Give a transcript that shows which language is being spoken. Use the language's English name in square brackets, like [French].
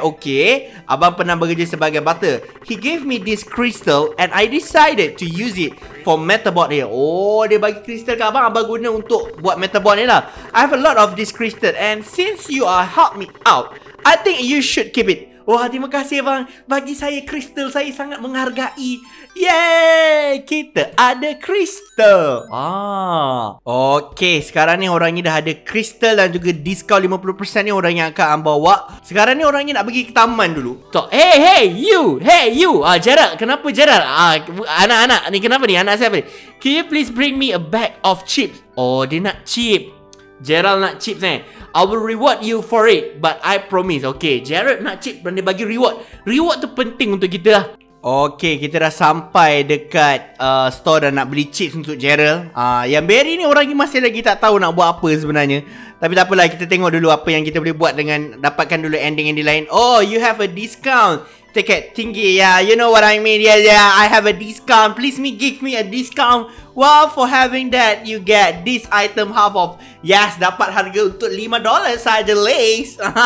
[Malay] Okay, abang pernah bekerja sebagai butler. [English] He gave me this crystal and I decided to use it for metabot here. [Malay] Oh, dia bagi crystal ke abang, abang guna untuk buat metabot ni lah. [English] I have a lot of this crystal and since you are help me out, I think you should keep it. [Malay] Wah, terima kasih bang. Bagi saya crystal, saya sangat menghargai. Yeay, kita ada crystal. Okay, sekarang ni orang ni dah ada crystal dan juga diskaun 50% ni orang yang akan bawa. Sekarang ni orang ni nak pergi ke taman dulu. [English] Hey you. [Malay] Jarak, kenapa Jarak? Anak-anak ni kenapa ni? Anak siapa ni? [English] Can you please bring me a bag of chips? [Malay] Oh, dia nak chip. Gerald nak chip ni. [English] I will reward you for it, but I promise. [Malay] Okay, Gerald nak chip dan dia bagi reward. Reward tu penting untuk kita lah. Okay, kita dah sampai dekat store dan nak beli chips untuk Gerald. Yang Barry ni orang ni masih lagi tak tahu nak buat apa sebenarnya. Tapi tak apalah, kita tengok dulu apa yang kita boleh buat dengan dapatkan dulu ending-ending lain. [English] Oh, you have a discount tiket tinggi. Yeah, you know what I mean. Yeah, I have a discount. Please me give me a discount. Well, for having that, you get this item half off. [Malay] Yes, dapat harga untuk $5 saja, ladies.